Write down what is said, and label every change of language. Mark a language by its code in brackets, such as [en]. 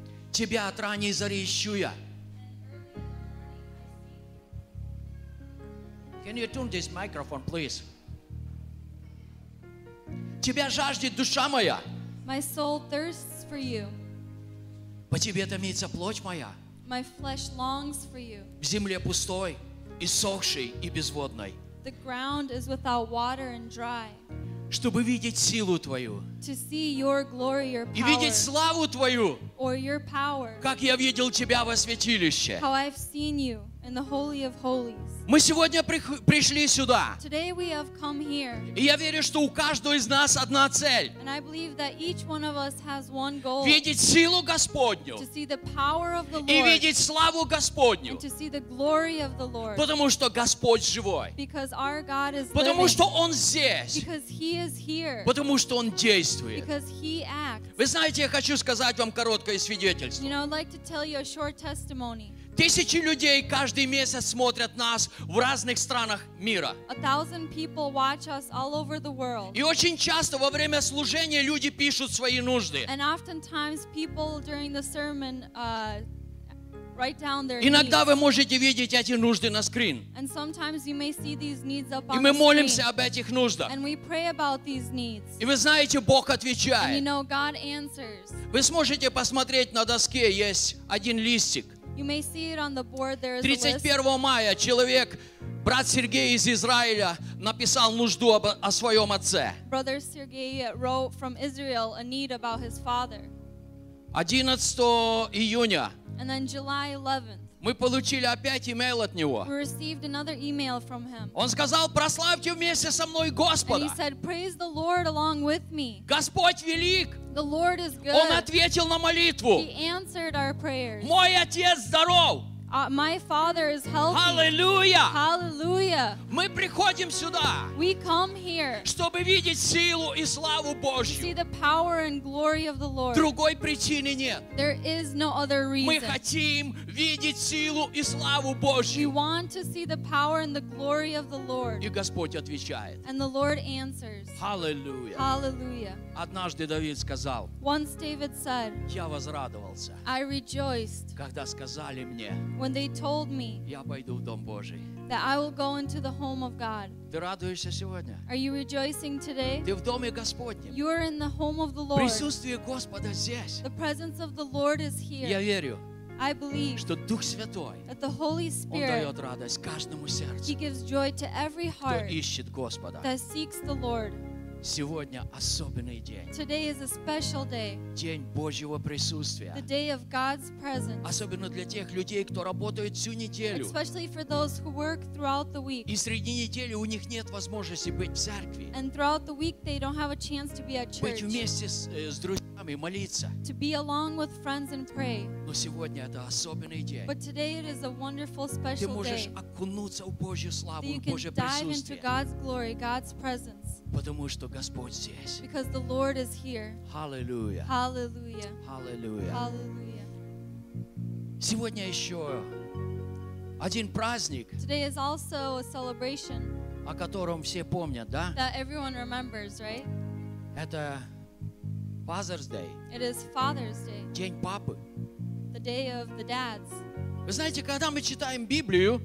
[ru] Тебя от ранней зари ищу я. [en] Can you tune this microphone, please? [ru] Тебя жаждет душа моя. [en] My soul thirsts for you. [ru] По Тебе томится плоть моя. [en] My flesh longs for you. [ru] В земле пустой, иссохшей и безводной. [en] The ground is without water and dry. [ru] Чтобы видеть силу Твою [en] your glory, your power, [ru] и видеть славу Твою, [en] power, [ru] как я видел Тебя во святилище. [en] How I've seen you in the Holy of Holies. [ru] Мы сегодня пришли сюда. [en] Today we have come here. [ru] И я верю, что у каждого из нас одна цель. [en] And I believe that each one of us has one goal. [ru] Видеть силу Господню. [en] To see the power of the Lord. [ru] И видеть славу Господню. [en] And to see the glory of the Lord. [ru] Потому что Господь живой. [en] Because our God is [ru] Потому [en] living. [ru] Что Он здесь. [en] Because He is here. [ru] Потому что Он действует. [en] Because He acts. [ru] Вы знаете, я хочу сказать вам короткое свидетельство. [en] You know, I'd like to tell you a short testimony. [ru] Тысячи людей каждый месяц смотрят нас в разных странах мира. [en] A thousand people watch us all over the world. [ru] И очень часто во время служения люди пишут свои нужды. [en] And oftentimes people during the sermon write down their [ru] Иногда [en] needs. [ru] Вы можете видеть эти нужды на скрин. [en] And sometimes you may see these needs up on the screen. [ru] И мы молимся об этих нуждах. [en] And we pray about these needs. [ru] И вы знаете, Бог отвечает. [en] And you know, God answers. [ru] Вы сможете посмотреть, на доске есть один листик. [en] You may see it on the board. There is a list. [ru] 31 мая человек, брат Сергей из Израиля, написал нужду о своем отце. [en] Brother Sergei wrote from Israel a need about his father. [ru] 11 июня. [en] And then July 11th. [ru] Мы получили опять email от него. [en] We received another email from him. [ru] Он сказал, прославьте вместе со мной Господа. [en] And he said, praise the Lord along with me. [ru] Господь велик. [en] The Lord is good. [ru] Он ответил на молитву. [en] He answered our prayers. [ru] Мой отец здоров. [en] My father is healthy. Hallelujah. Hallelujah. [ru] Мы приходим сюда. [en] We come here. [ru] Чтобы видеть силу и славу Божью. [en] To see the power and glory of the Lord. [ru] Другой причины нет. [en] There is no other reason. [ru] Мы хотим видеть силу и славу Божью. [en] We want to see the power and the glory of the Lord. [ru] И Господь отвечает. [en] And the Lord answers. Hallelujah. Hallelujah. [ru] Однажды Давид сказал. [en] Once David said. [ru] Я возрадовался. [en] I rejoiced. [ru] Когда сказали мне. [en] When they told me that I will go into the home of God. Are you rejoicing today? You are in the home of the Lord. The presence of the Lord is here. I believe that the Holy Spirit He gives joy to every heart that seeks the Lord. [ru] Сегодня особенный день. [en] Today is a special day. [ru] День Божьего присутствия. [en] The day of God's presence. [ru] Особенно для тех людей, кто работает всю неделю. [en] Especially for those who work throughout the week. [ru] И среди недели у них нет возможности быть в церкви. [en] And throughout the week they don't have a chance to be at church. [ru] Быть вместе с друзьями, молиться. [en] To be along with friends and pray. [ru] Но сегодня это особенный день. [en] But today it is a wonderful special day. [ru] Ты можешь окунуться в Божью славу, в Божье присутствие. [en] You can dive into God's glory, God's presence. [ru] Потому что Господь здесь. [en] Because the Lord is here. Hallelujah. Hallelujah. Hallelujah. Hallelujah. [ru] Сегодня еще один праздник. [en] Today is also a celebration. [ru] О котором все помнят, да? [en] That everyone remembers, right? [ru] Это Father's Day. [en] It is Father's Day. [ru] День папы. [en] The day of the dads. [ru] Вы знаете, когда мы читаем Библию,